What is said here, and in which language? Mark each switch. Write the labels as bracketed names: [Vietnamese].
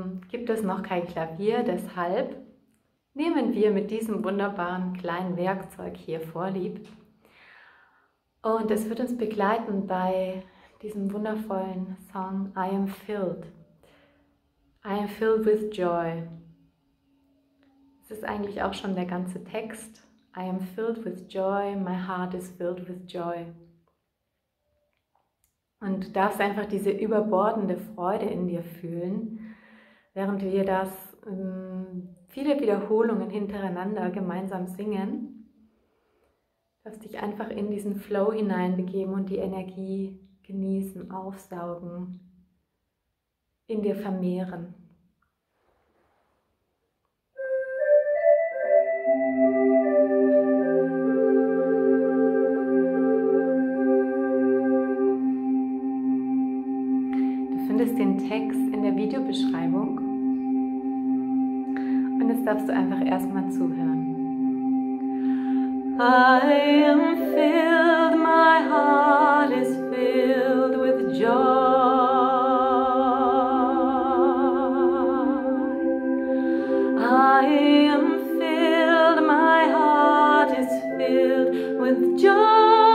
[German] Gibt es noch kein Klavier, deshalb nehmen wir mit diesem wunderbaren kleinen Werkzeug hier vorlieb. Und es wird uns begleiten bei diesem wundervollen Song I am filled. [English] I am filled with joy. [German] Es ist eigentlich auch schon der ganze Text. [English] I am filled with joy, my heart is filled with joy. [German] Und du darfst einfach diese überbordende Freude in dir fühlen, während wir das viele Wiederholungen hintereinander gemeinsam singen. Du darfst dich einfach in diesen Flow hineinbegeben und die Energie genießen, aufsaugen, in dir vermehren. Du findest den Text in der Videobeschreibung und jetzt darfst du einfach erstmal zuhören. [English] I am filled, my heart is filled with joy. I am filled, my heart is filled with joy.